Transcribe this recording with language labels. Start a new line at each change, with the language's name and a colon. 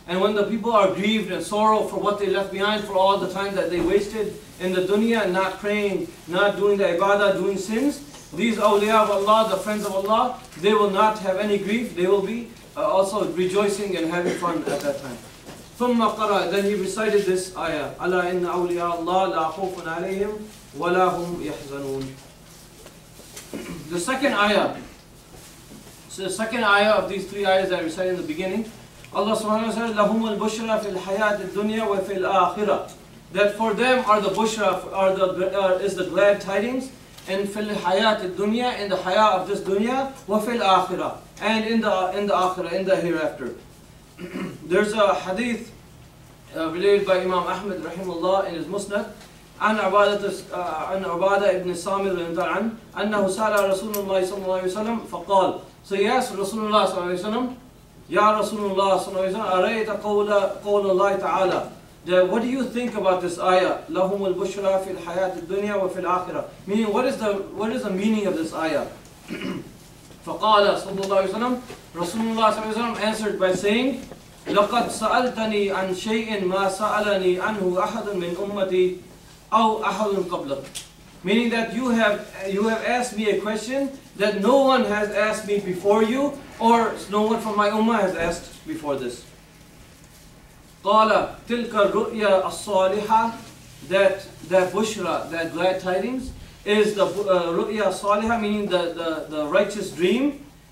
English: And when the people are grieved and sorrow for what they left behind, for all the time that they wasted in the dunya, not praying, not doing the ibadah, doing sins, these awliya of Allah, the friends of Allah, they will not have any grief. They will be also rejoicing and having fun at that time.
Arabic: ثُمَّ قَرَى.
English: Then he recited this ayah,
Arabic: أَلَا إِنَّ أَوْلِيَا اللَّهِ لَا خَوْفٌ عَلَيْهِمْ وَلَا هُمْ يَحْزَنُونَ.
English: The second ayah, so the second ayah of these three ayahs that I recited in the beginning, Allah subhanahu wa ta'ala said,
Arabic: لَهُمُ الْبُشْرَ فِي الْحَيَاةِ الدُّنْيَا وَفِي الْآخِرَةِ.
English: That for them are the bushra, is the glad tidings, and
Arabic: فِي الْحَيَاةِ الدُّنْيَا,
English: in the hayah of this dunya,
Arabic: وَفِي الْآخِرَةِ,
English: and in the akhirah, in the hereafter. There's a hadith related by Imam Ahmed rahimahullah in his Musnad,
Arabic: عن عبادة ابن سامر رضي الله عنه أنه سأل رسول الله صلى الله عليه وسلم فقال.
English: So he asked Rasulullah
Arabic: صلى الله عليه وسلم, يا رسول الله صلى الله عليه وسلم أرأيت قول الله تعالى.
English: What do you think about this ayah,
Arabic: لهم البشرى في الحياة الدنيا وفي الآخرة?
English: Meaning, what is the meaning of this ayah?
Arabic: فقال صلى الله عليه وسلم, Rasulullah صلى الله عليه وسلم
English: answered by saying,
Arabic: لقد سألتني عن شيء ما سألني عنه أحد من أمتي أو أحد قبلك.
English: Meaning that you have asked me a question that no one has asked me before you, or no one from my ummah has asked before this.
Arabic: قَالَ تِلْكَ الرُّؤْيَا الصَّالِحَةِ
English: that bushra, that glad tidings, is the
Arabic: رُؤْيَا الصَّالِحَةِ,
English: meaning the righteous dream.